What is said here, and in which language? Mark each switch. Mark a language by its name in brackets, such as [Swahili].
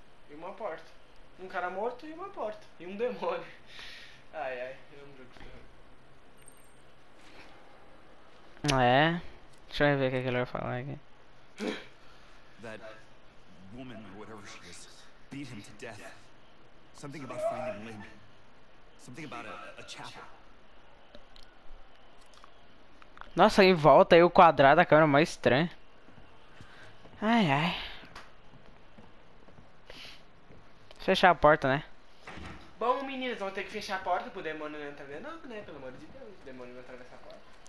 [Portuguese] E uma porta. Um cara morto e uma porta. E um demônio. Ai, ai. Eu não lembro que você. É. Deixa eu ver o que ele vai falar aqui. [English] Woman or whatever she is, beat him to death. Something about finding Lynn. Something about a chapel. [Portuguese] Nossa, em volta aí o quadrado da câmera é mais estranho. Ai, ai. Fechar a porta, né? Bom, meninas, vamos ter que fechar a porta pro demônio não entrar. Não, né? Pelo amor de Deus, o demônio não atravessar a porta.